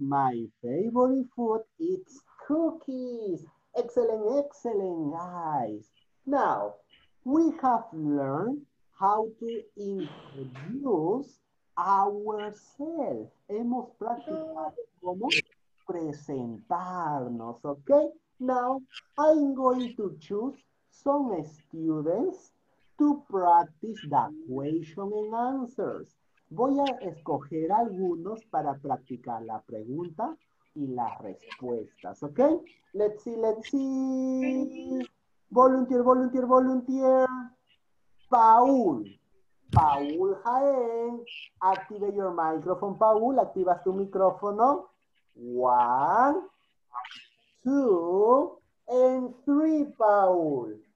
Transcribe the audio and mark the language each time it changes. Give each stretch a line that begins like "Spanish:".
English: My favorite food is cookies. Excellent, excellent, guys. Now, we have learned how to introduce ourselves.
Spanish: Hemos practicado cómo presentarnos, ¿ok?
English: Now, I'm going to choose some students to practice the question and answers.
Spanish: Voy a escoger algunos para practicar la pregunta y las respuestas, ¿ok?
English: Let's see, let's see. Volunteer, volunteer, volunteer. Paul. Paul Jaén. Activa your microphone, Paul.
Spanish: Activas tu micrófono.
English: One, two, and three, Paul.